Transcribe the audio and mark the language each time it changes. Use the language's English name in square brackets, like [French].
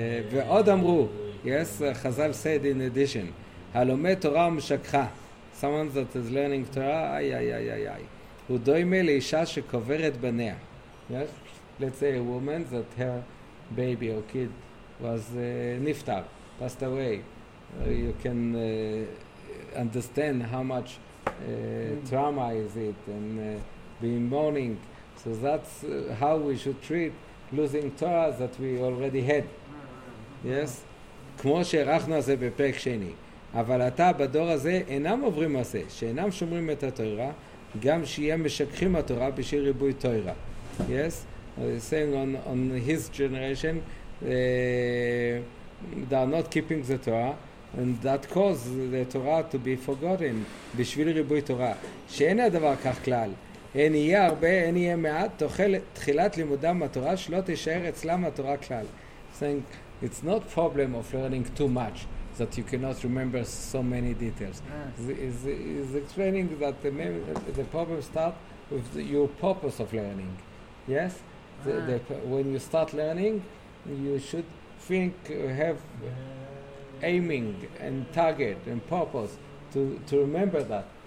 [Hebrew] ועוד אמרו, [English] yes, [Hebrew] חזל [English] said in addition, [Hebrew] הלומד תורה ומשכחה. [English] Someone that is learning Torah, ay, ay, ay, ay, ay. [Hebrew] הוא דוימה לאישה שקוברת בניה. [English] Yes? Let's say a woman that her baby or kid was niftar, passed away. You can understand how much trauma is it and being mourning. So that's how we should treat losing Torah that we already had. Yes? [Hebrew] כמו שהרחנו הזה בפרק שני. אבל אתה בדור הזה אינם עוברים עשה, שאינם שומרים את התורה, גם שיהיה משכחים התורה בשביל ריבוי תוירה. [English] Yes? Saying on his generation, they are not keeping the Torah, and that caused the Torah to be forgotten, [Hebrew] בשביל ריבוי תורה. שאין הדבר כך כלל, אין יהיה הרבה, אין יהיה מעט, תחילת לימודם התורה שלא תישאר אצלם התורה כלל. [English] Saying, it's not a problem of learning too much that you cannot remember so many details. He's explaining that the problem starts with your purpose of learning. Yes? When you start learning, you should think, have aiming and target and purpose to remember that.